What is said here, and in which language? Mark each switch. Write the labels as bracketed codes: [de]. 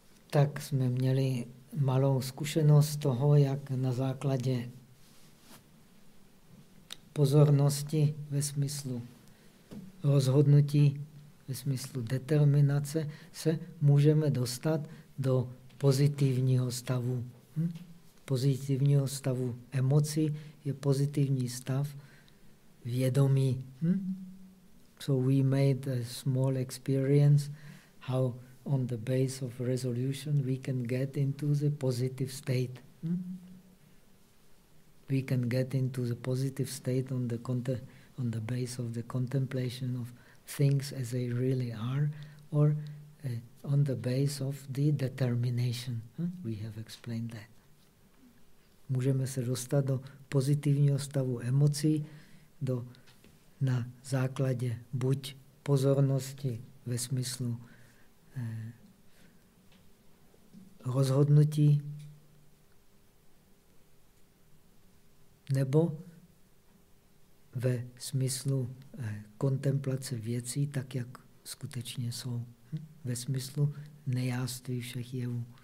[cs] Tak jsme měli malou zkušenost toho, jak na základě pozornosti ve smyslu rozhodnutí, ve smyslu determinace, se můžeme dostat do pozitivního stavu. Pozitivního stavu emocí je pozitivní stav vědomí. [en] So we made a small experience how on the base of resolution we can get into the positive state. We can get into the positive state on the base of the contemplation of things as they really are, or on the base of the determination. We have explained that. [cs] Můžeme se dostat do pozitivního stavu emocí na základě buď pozornosti ve smyslu rozhodnutí, nebo ve smyslu kontemplace věcí, tak jak skutečně jsou, ve smyslu nejáství všech jevů.